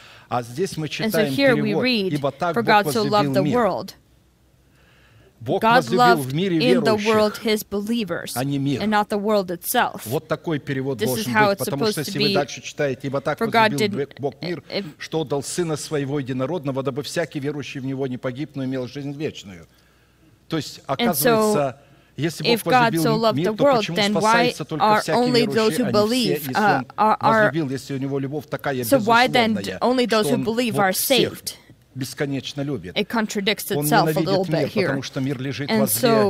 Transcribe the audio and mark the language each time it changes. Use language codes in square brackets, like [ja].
[en] And so here we read, for God so loved the world. God loved in the world his believers, and not the world itself. This is how it's supposed to be. For God did, [ru] что дал сына своего единородного, дабы всякий верующий в него не погиб, но имел жизнь вечную. То есть, оказывается, [en] if God so loved the world, then why are only those who believe, so why then only those who believe are saved? It contradicts itself a little bit here. And so